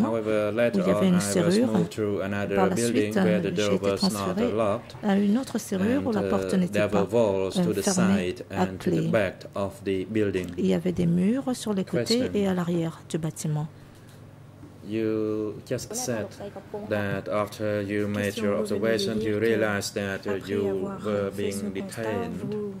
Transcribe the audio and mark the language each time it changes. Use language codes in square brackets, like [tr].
[en] However, later on, I was moved to another building where the door was not locked. [fr] À une autre serrure où la porte n'était pas fermée. [en] There were walls to the side and to the back of the building. [fr] Il y avait des murs sur les côtés et à l'arrière du bâtiment. [en] You just said that after you made your observation, you realized that you were being detained.